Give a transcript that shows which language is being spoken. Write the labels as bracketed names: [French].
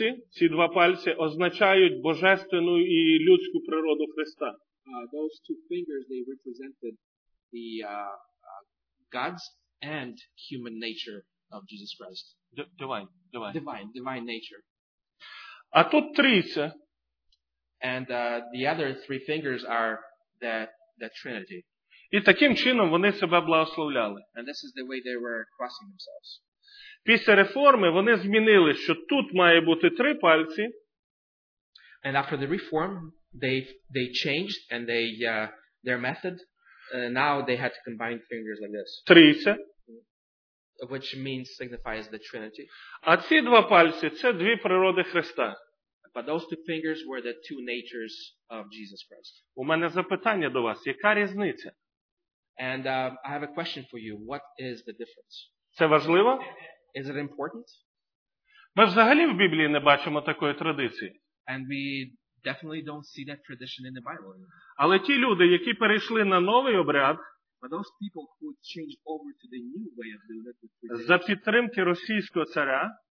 [Ukrainian] Ці два пальці означають божественну і людську природу Христа. [English] Those two fingers, they represented the God's and human nature of Jesus Christ. Divine nature. [Ukrainian] А тут трійця. [English] And the other three fingers are the Trinity. [Ukrainian] І таким чином вони себе благословляли. [English] And this is the way they were crossing themselves. [Ukrainian] Після реформи вони змінили, що тут має бути три пальці. [English] And after the reform, they changed and they their method now they had to combine fingers like this. [Ukrainian] Трійця. [English] Which means signifies the Trinity. [Ukrainian] А ці два пальці це дві природи Христа. [English] But those two fingers were the two natures of Jesus Christ. [Ukrainian] У мене запитання до вас. Яка різниця? [English] And I have a question for you. What is the difference? [Ukrainian] Це важливо? [English] Is it important? [Ukrainian] Ми взагалі в Біблії не бачимо такої традиції. [English] And we definitely don't see that tradition in the Bible. [Ukrainian] Але ті люди, які перейшли на новий обряд, [English] but those people who changed over to the new way of doing it, [Ukrainian] за підтримки російського царя,